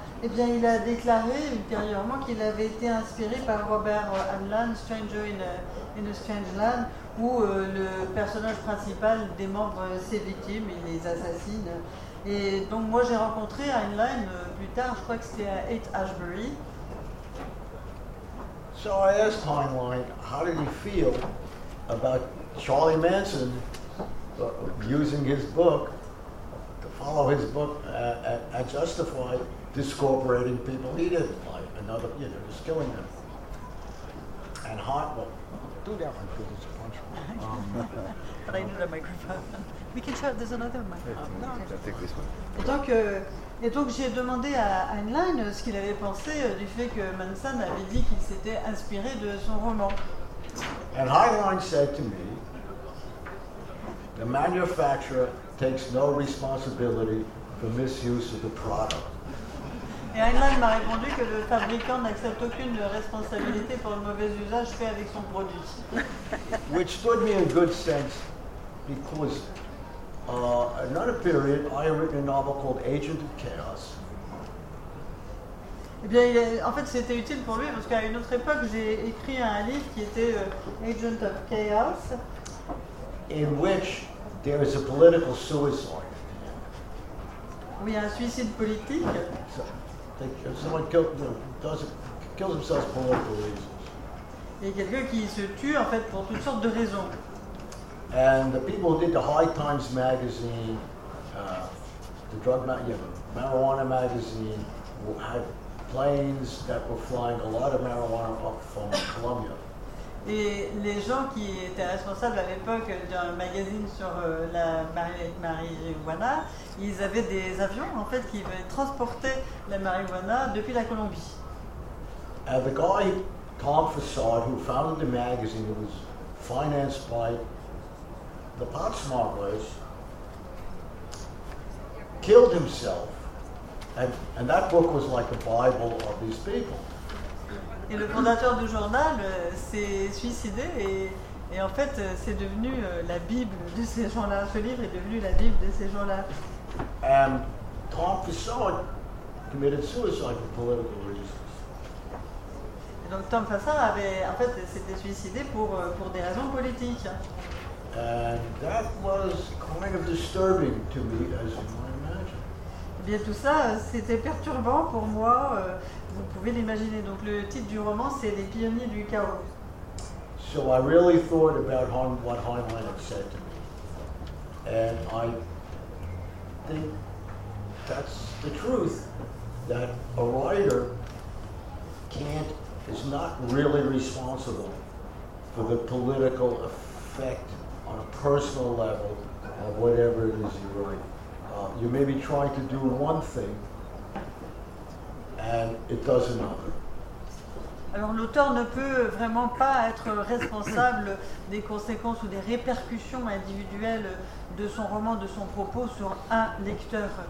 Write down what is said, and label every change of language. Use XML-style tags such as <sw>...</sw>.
<fr>Eh bien, il a déclaré ultérieurement qu'il avait été inspiré par Robert Heinlein, Stranger in a Strange Land, où le personnage principal démembre ses victimes, il les assassine. Et donc, moi, j'ai rencontré Heinlein plus tard, je crois que c'était à Haight-Ashbury.</fr> <en>So I asked Heinlein, how did he feel about Charlie Manson using his book, to follow his book, and justify discorporating people he didn't like, another, you know, just killing them. And Heinlein, do that one because it's a punch. But I need a microphone. We can show, there's another microphone. I think this one.</en> <fr>Et donc j'ai demandé à Heinlein ce qu'il avait pensé du fait que Manson avait dit qu'il s'était inspiré de son roman.</fr> <en>And Heinlein said to me, The manufacturer takes no responsibility for misuse of the product.</en> <fr>Et Heinlein m'a répondu que le fabricant n'accepte aucune responsabilité pour le mauvais usage fait avec son produit.</fr> <en>Which stood me in good sense because another period I had written a novel called Agent of Chaos.</en> <fr>Eh bien, en fait, c'était utile pour lui parce qu'à une autre époque, j'ai écrit un livre qui était Agent of Chaos.</fr> <en>In which there is a political suicide.</en> <fr>Où il y a un suicide politique.</fr> <en>So, someone kills himself for political reasons.</en> <fr>Et quelqu'un qui se tue, en fait, pour toutes sortes de raisons.</fr> <en>And the people who did the High Times magazine, the drug marijuana magazine, had planes that were flying a lot of marijuana up from Colombia.</en> <fr>Et les gens qui étaient responsables à l'époque d'un magazine sur la marijuana, ils avaient des avions en fait qui transportaient la marijuana depuis la Colombie.</fr> <en>And the guy Tom Fassard, who founded the magazine, was financed by the pot smugglers, killed himself. And that book was like a Bible of these people.</en> <fr>Et le fondateur du journal s'est suicidé et en fait c'est devenu la Bible de ces gens-là. Ce livre est devenu la Bible de ces gens-là.</fr> <en>And Tom Fassard committed suicide for political reasons.</en> <fr>Et donc Tom Fassard avait en fait s'était suicidé pour des raisons politiques.</fr> <en>And that was kind of disturbing to me as you might imagine.</en> <fr>Bien tout ça, c'était perturbant pour moi, vous pouvez l'imaginer. Donc le titre du roman, c'est Les pionniers du chaos.</fr> <en>So I really thought about what Heinlein had said to me. And I think that's the truth, that a writer is not really responsible for the political effect on a personal level of whatever it is you write. You may be trying to do one thing, and it does another.</en> <fr>Alors l'auteur ne peut vraiment pas être responsable des conséquences ou des répercussions individuelles de son roman, de son propos sur un lecteur.</fr>